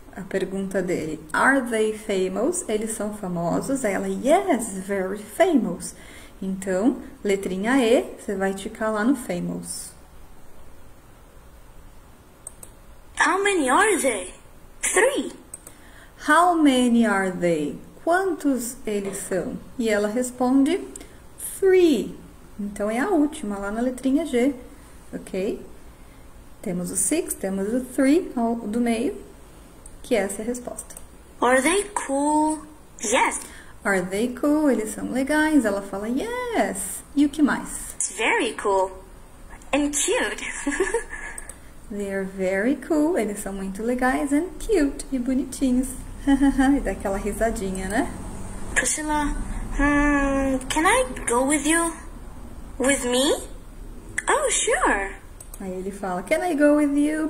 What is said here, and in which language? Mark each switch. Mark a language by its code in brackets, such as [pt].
[pt] A pergunta dele, [en] are they famous? [pt] Eles são famosos? Ela, [en] yes, very famous. [pt] Então, letrinha E, você vai ticar lá no famous. [en] How many are they? 3. How many are they? [pt] Quantos eles são? E ela responde, 3. Então, é a última, lá na letrinha G, ok? Temos o 6, temos o 3, do meio, que essa é a resposta. [en] Are they cool? Yes. Are they cool? [pt] Eles são legais. Ela fala, yes. E o que mais? [en] It's very cool. And cute. They are very cool. [pt] Eles são muito legais [en] and cute [pt] e bonitinhos. E dá aquela risadinha, né? [en] Priscilla, can I go with you? With me? Oh, sure. [pt] Aí ele fala, [en] can I go with you?